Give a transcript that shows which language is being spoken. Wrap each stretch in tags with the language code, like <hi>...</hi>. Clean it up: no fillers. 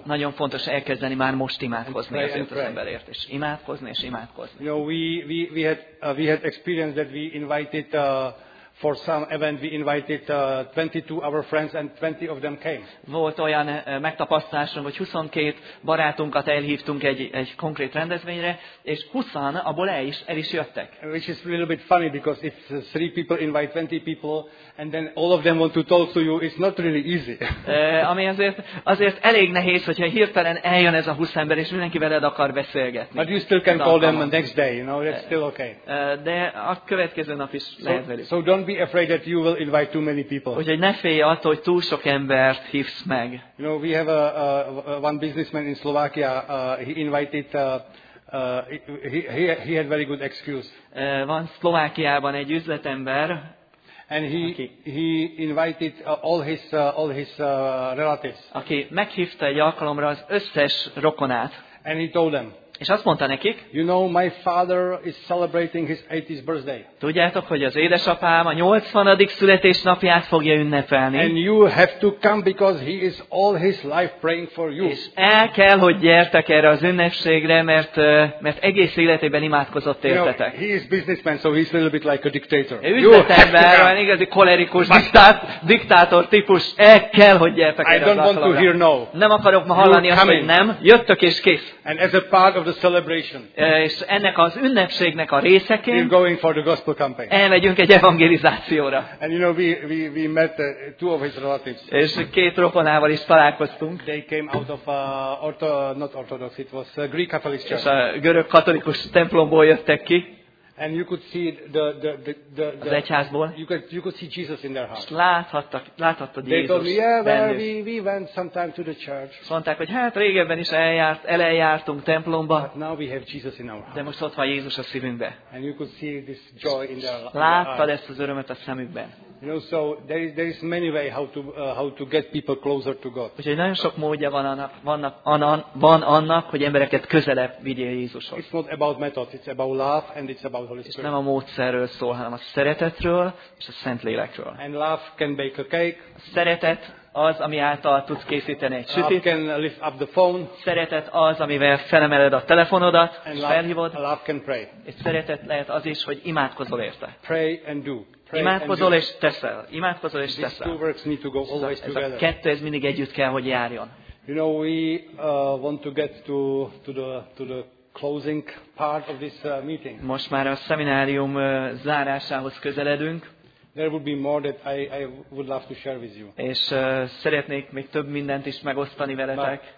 <hu>Nagyon fontos elkezdeni már most imádkozni az emberért, és imádkozni és imádkozni.</hu> <en>You know, we had experience that we invited for some event, we invited 22 our friends and 20 of them came.</en> <hu>Volt olyan megtapasztalásom, hogy 22 barátunkat elhívtunk egy konkrét rendezvényre, és 20-an abból el is jöttek.</hu> <en>Which is a little bit funny because if 3 people invite 20 people and then all of them want to talk to you, it's not really easy.</en> <hu>Ami azért elég nehéz, hogyha hirtelen eljön ez a 20 ember és mindenki veled akar beszélgetni.</hu> <en>But you still can call them the next day, you know, that's still okay.</en> <hu>De a következő nap is lehet velük.</hu> <en>So don't be afraid that you will invite too many people.</en> <hu>Úgyhogy ne félj attól, hogy túl sok embert hívsz meg.</hu> <en>You know, we have one businessman in Slovakia. He had very good excuse.</en> <hu>Van Szlovákiában egy üzletember.</hu> <en>And he invited all his relatives.</en> <hu>Aki meghívta egy alkalomra az összes rokonát.</hu> <en>And he told them.</en> <hu>És azt mondta nekik,</hu> <en>you know, my father is celebrating his 80th birthday.</en> <hu>Tudjátok, hogy az édesapám a 80. születésnapját fogja ünnepelni.</hu> <en>And you have to come because he is all his life praying for you.</en> <hu>És el kell, hogy gyertek erre az ünnepségre, mert egész életében imádkozott értetek.</hu> <en>You know, he is businessman, so he's a little bit like a dictator.</en> <hu>Üzletember, van igazi kolerikus diktátor típus. El kell, hogy gyertek erre az alkalomra.</hu> <en>I don't want to hear no.</en> <hu>Nem akarok ma hallani azt, hogy nem. Jöttök és kész.</hu> <en>And as a part of the celebration.</en> <hu>És ennek az ünnepségnek a részeként.</hu> <en>We're going for the gospel campaign.</en> <hu>Elmegyünk egy evangelizációra.</hu> <en>And you know, we met two of his relatives.</en> <hu>És két rokonával is találkoztunk.</hu> <en>They came out of not Orthodox, it was a Greek Catholic church.</en> <hu>És a görög katolikus templomból jöttek ki.</hu> <en>And you could see the</en> <hu>egyházból.</hu> <en>You could see Jesus in their heart.</en> <hu>Láthattad Jézust.</hu> <en>They told me, yeah, well, we went sometime to the church.</en> <hu>Mondták, hogy régebben is eljártunk templomba.</hu> <en>But now we have Jesus in our heart.</en> <hu>De most ott van Jézus a szívünkbe.</hu> <en>And you could see this joy in their eyes.</en> <hu>Láttad ezt az örömet a szemükben.</hu> <en>You know, so there is many way how to get people closer to God.</en> <hu>Úgyhogy nagyon sok módja van annak, hogy embereket közelebb vigyél Jézushoz.</hu> <en>It's not about methods, it's about love and it's about Holy Spirit.</en> <hu>És nem a módszerről szól, hanem a szeretetről és a Szentlélekről.</hu> <en>And love can bake a cake.</en> <hu>Szeretet az, ami által tudsz készíteni egy sütit.</hu> <en>Love can lift up the phone.</en> <hu>Szeretet az, amivel felemeled a telefonodat, és felhívod.</hu> <en>Love can pray.</en> <hu>És szeretet lehet az is, hogy imádkozol érte.</hu> <en>Pray and do.</en> <hu>Imádkozol és teszel. Imádkozol és teszel.</hu> <en>These two works need to go always together.</en> <hu>Ez a kettő, ez mindig együtt kell, hogy járjon.</hu> <en>You know, we want to get to the closing part of this meeting.</en> <hu>Most már a szeminárium zárásához közeledünk.</hu> <en>There would be more that I would love to share with you.</en> <hu>És szeretnék még több mindent is megosztani veletek.</hu>